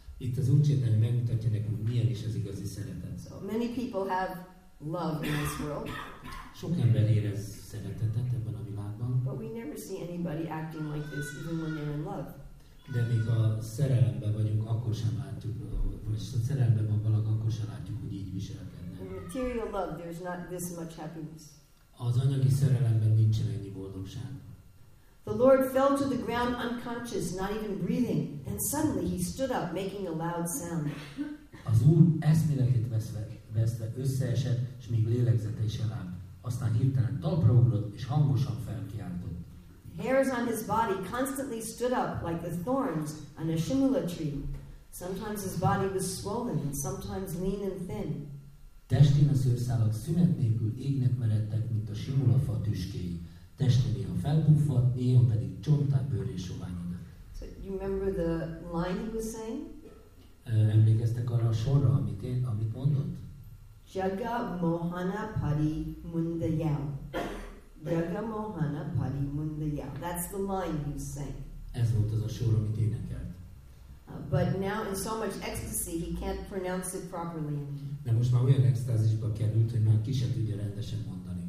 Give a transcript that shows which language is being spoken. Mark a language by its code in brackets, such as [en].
[hu] Itt az Úr Csétlen megmutatja nekünk, milyen is az igazi szeretet. [en] So many people have love in this world. [hu] Sok ember érez szeretetet ebben a világban. [en] But we never see anybody acting like this, even when they're in love. [hu] De még a szerelemben vagyunk, akkor sem látjuk, vagy a szerelemben van valaki, akkor sem látjuk, hogy így viselkednek. [en] In material love, there's not this much happiness. [hu] Az anyagi szerelemben nincsen ennyi boldogság. [en] The Lord fell to the ground unconscious, not even breathing, and suddenly he stood up, making a loud sound. [hu] Az Úr eszméletét vesztve összeesett, és még lélegzete is elállt. Aztán hirtelen talpra ugrott, és hangosan felkiáltott. [en] Hairs on his body constantly stood up like the thorns on a shimula tree. Sometimes his body was swollen and sometimes lean and thin. [hu] Testén a szőrszálak szünet nélkül égnek meredtek, mint a simulafa tüskéi. Teste néha felbuffadt, néha pedig csonttá bőrré soványodott. [en] So you remember the line he was saying? [hu] Emlékeztek arra a sorra, amit mondott? [or] Jaga mohana pari mundayam. Jaga mohana pari mundayam. [en] That's the line he was saying. [hu] Ez volt az a sor, amit énekelt. [en] But now in so much ecstasy he can't pronounce it properly anymore. [hu] De most már olyan extázisba került, hogy már ki se tudja rendesen mondani.